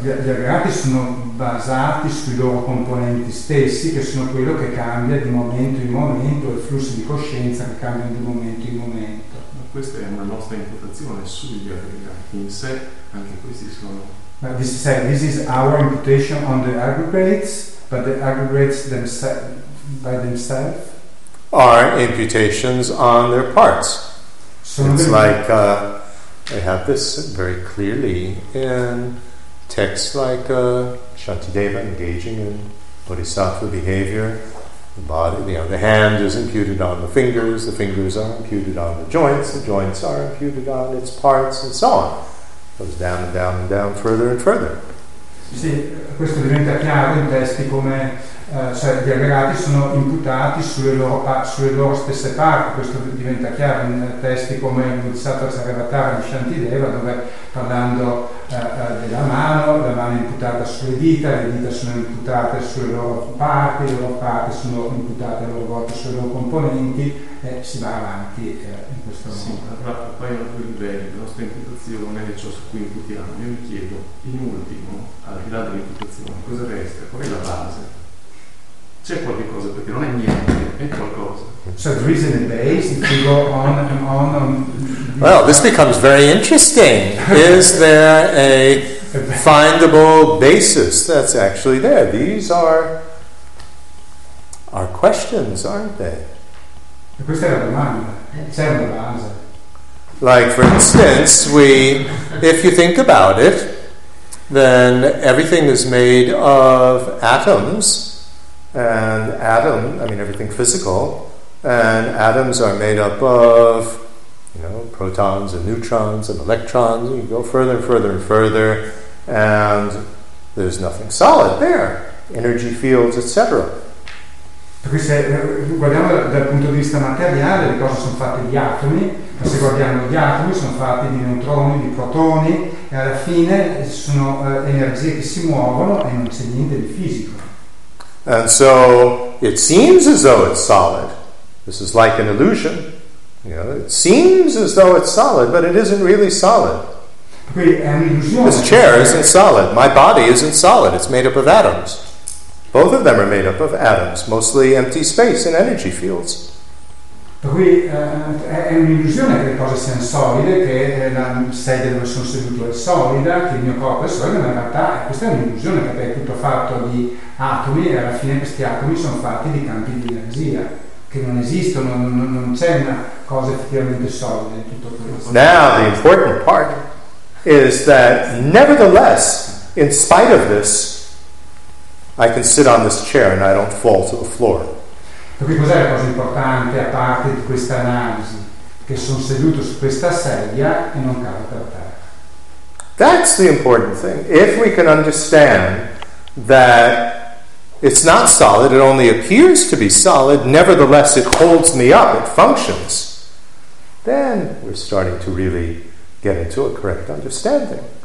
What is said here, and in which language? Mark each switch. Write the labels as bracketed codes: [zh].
[it] Gli aggregati sono basati sui loro componenti stessi, che sono quello che cambia di momento in momento, il flusso di coscienza che cambia di momento in momento. Ma questa è una nostra imputazione sugli aggregati in sé, anche questi sono. [en] But this is our imputation on the aggregates, but the aggregates by themselves are imputations on their parts. It's like they have this very clearly in texts like Shantideva engaging in bodhisattva behavior. The body, you know, the hand is imputed on the fingers are imputed on the joints are imputed on its parts, and so on. Goes down and down and down, further and further. [it] Sì, questo diventa chiaro in testi come cioè gli aggregati sono imputati sulle loro stesse parti. Questo diventa chiaro in testi come il Bodhisattva Saravatara di Shantideva, dove parlando della mano, la mano è imputata sulle dita, le dita sono imputate sulle loro parti sono imputate a loro volta sulle loro componenti, e si va avanti in questo sì, modo. Allora, poi un altro livello, la nostra imputazione è ciò su cui imputiamo. Io mi chiedo, in ultimo, al di là dell'imputazione, cosa resta? Qual è la base? C'è qualche cosa, perché non è niente, è qualcosa. [en] So there is a base, if you go on and on and... Well, this becomes very interesting. Is there a findable basis that's actually there? These are our questions, aren't they? [it] Questa è la domanda. C'è una base. [en] Like, for instance, if you think about it, then everything is made of atoms, everything physical, and atoms are made up of, you know, protons and neutrons and electrons, and you go further and further and further, and there's nothing solid there, energy fields, etc. [it] Perché se guardiamo dal punto di vista materiale, le cose sono fatte di atomi, ma se guardiamo gli atomi sono fatti di neutroni, di protoni, e alla fine sono energie che si muovono e non c'è niente di fisico. [en] And so it seems as though it's solid. This is like an illusion. You know, it seems as though it's solid, but it isn't really solid. This chair isn't solid. My body isn't solid. It's made up of atoms. Both of them are made up of atoms, mostly empty space and energy fields. [it] Qui è un'illusione che le cose siano solide, che la sedia dove sono seduto è solida, che il mio corpo è solido, ma in realtà questa è un'illusione, perché è tutto fatto di atomi, e alla fine questi atomi sono fatti di campi di energia che non esistono, non c'è una cosa effettivamente solida in tutto questo. [en] Now the important part is that nevertheless, in spite of this, I can sit on this chair and I don't fall to the floor. [it] Perché cos'è la cosa importante a parte di questa analisi? Che sono seduto su questa sedia e non cado per terra. [en] That's the important thing. If we can understand that it's not solid, it only appears to be solid, nevertheless it holds me up, it functions, then we're starting to really get into a correct understanding.